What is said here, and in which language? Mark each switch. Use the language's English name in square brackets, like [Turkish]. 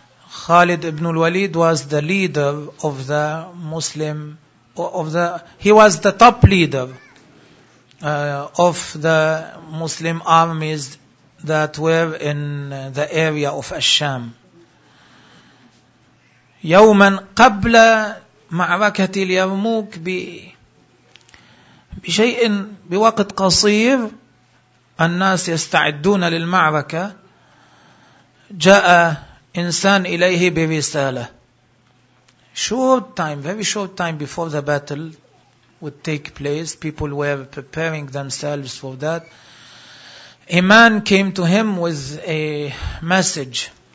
[English] خالد ابن الوليد was the leader of the Muslim, he was the top leader of the Muslim armies that were in the area of الشام. [Arabic] يوما قبل معركة اليرموك بشيء بوقت قصير الناس يستعدون للمعركة جاء إنسان إليه برسالة. [English] Short time, very short time before the battle would take place, people were preparing themselves for that. A man came to him with a message.